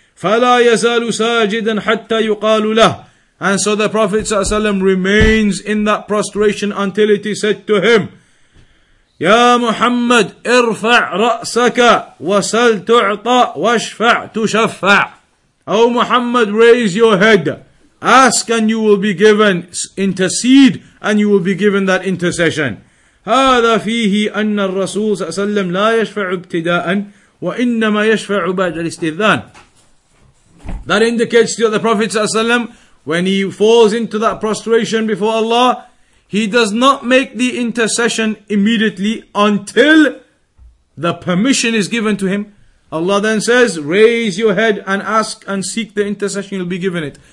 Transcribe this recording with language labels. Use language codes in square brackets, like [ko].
[ar] فَلَا يَزَالُ سَاجِدًا حَتَّى يُقَالُ لَهُ. [en] And so the Prophet ﷺ remains in that prostration until it is said to him, [ar] يَا مُحَمَّدْ اِرْفَعْ رَأْسَكَ وَسَلْ تُعْطَى وَاشْفَعْ تُشَفَّعْ. [en] O Muhammad, raise your head. Ask and you will be given, intercede and you will be given that intercession. [ar] هذا فيه أن الرسول صلى الله عليه وسلم لا يشفع ابتداء وإنما يشفع بعد الاستئذان. [en] That indicates to the Prophet صلى الله عليه وسلم, when he falls into that prostration before Allah, he does not make the intercession immediately until the permission is given to him. Allah then says, raise your head and ask and seek the intercession, you'll be given it.